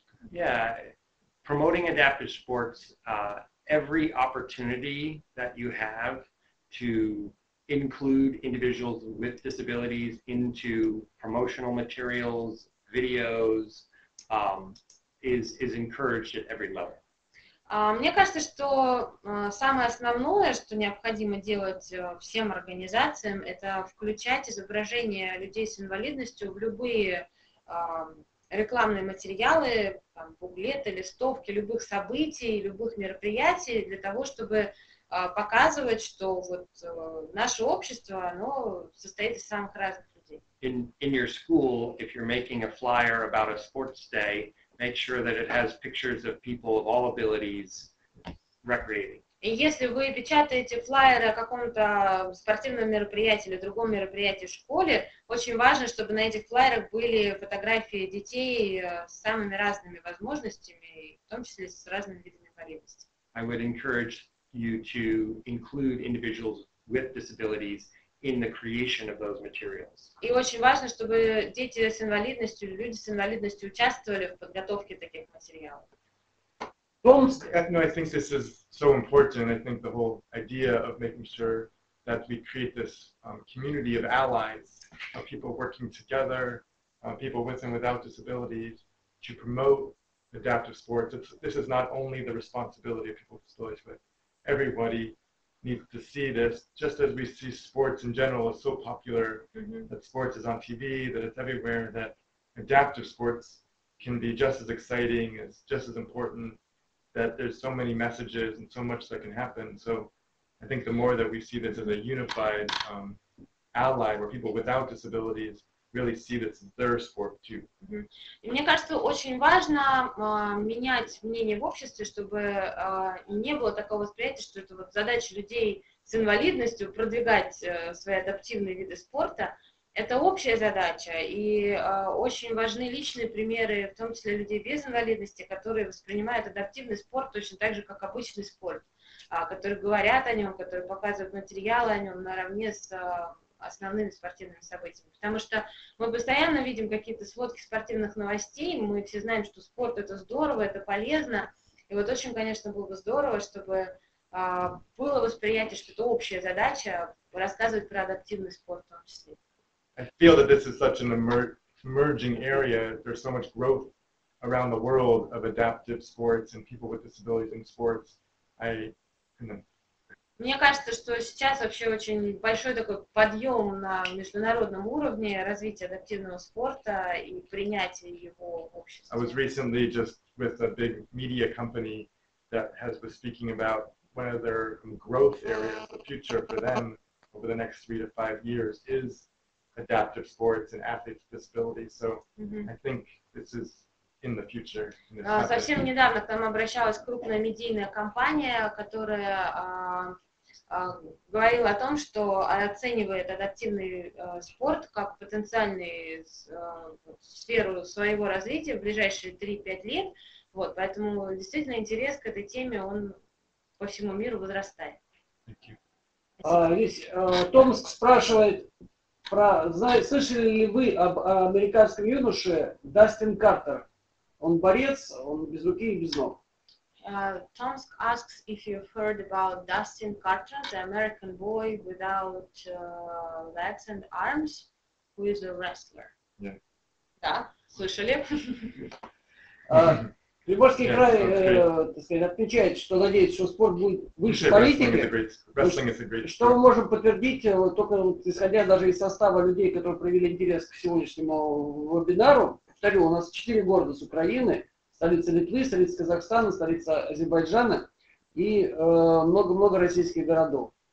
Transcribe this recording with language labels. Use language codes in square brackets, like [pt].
[en] Yeah, promoting adaptive sports, every opportunity that you have to include individuals with disabilities into promotional materials, videos, is encouraged at every level. [ru] Мне кажется, что самое основное, что необходимо делать всем организациям, это включать изображение людей с инвалидностью в любые рекламные материалы, там, буклеты, листовки, любых событий, любых мероприятий для того, чтобы показывать, что вот наше общество, оно состоит из самых разных людей. [en] In your school, if you're making a flyer about a sports day, make sure that it has pictures of people of all abilities recreating. [ru] И если вы печатаете флаеры о каком-то спортивном мероприятии или другом мероприятии в школе, очень важно, чтобы на этих флаерах были фотографии детей с самыми разными возможностями, в том числе с разными видами инвалидности. [en] I would encourage you to include individuals with disabilities in the creation of those materials. [ru] И очень важно, чтобы дети с инвалидностью, люди с инвалидностью участвовали в подготовке таких материалов. [en] No, I think this is so important. I think the whole idea of making sure that we create this community of allies, of people working together, people with and without disabilities, to promote adaptive sports. This is not only the responsibility of people with disabilities, but everybody needs to see this, just as we see sports in general is so popular, mm-hmm. that sports is on TV, that it's everywhere, that adaptive sports can be just as exciting, it's just as important, that there's so many messages and so much that can happen. So I think the more that we see this as a unified ally, where people without disabilities really see this as their sport too. [ru] Mm-hmm. И мне кажется, очень важно менять мнение в обществе, чтобы не было такого восприятия, что это вот задача людей с инвалидностью продвигать свои адаптивные виды спорта. Это общая задача, и очень важны личные примеры, в том числе людей без инвалидности, которые воспринимают адаптивный спорт точно так же, как обычный спорт, которые говорят о нем, которые показывают материалы о нем наравне с основными спортивными событиями, потому что мы постоянно видим какие-то сводки спортивных новостей, мы все знаем, что спорт это здорово, это полезно, и вот очень, конечно, было бы здорово, чтобы было восприятие, что это общая задача, рассказывать про адаптивный спорт в том числе. [en] I feel that this is such an emerging area, there's so much growth around the world of adaptive sports and people with disabilities in sports. [ru] Мне кажется, что сейчас вообще очень большой такой подъем на международном уровне развития адаптивного спорта и принятия его в обществе. [en] I was recently just with a big media company that has been speaking about one of their growth areas, the future for them over the next 3 to 5 years is adaptive sports and athletes with disabilities. So mm-hmm. I think this is in the future. [ru] Совсем недавно к нам обращалась крупная медийная компания, которая говорила о том, что оценивает адаптивный спорт как потенциальную сферу своего развития в ближайшие 3-5 лет. Вот, поэтому действительно интерес к этой теме, он по всему миру возрастает. Здесь Томск спрашивает, слышали ли вы об американском юноше Дастин Картер? Он борец, он без руки и без ног. [en] Томск asks if you've heard about Dustin Carter, the American boy without legs and arms, who is a wrestler. Yeah. [ru] Да, слышали? Приморский край, так сказать, отмечает, что надеется, что спорт будет выше политики. Что мы можем подтвердить, только исходя даже из состава людей, которые проявили интерес к сегодняшнему вебинару. Повторю, у нас 4 города с Украины, столица Литвы, столица Казахстана, столица Азербайджана и много-много российских городов.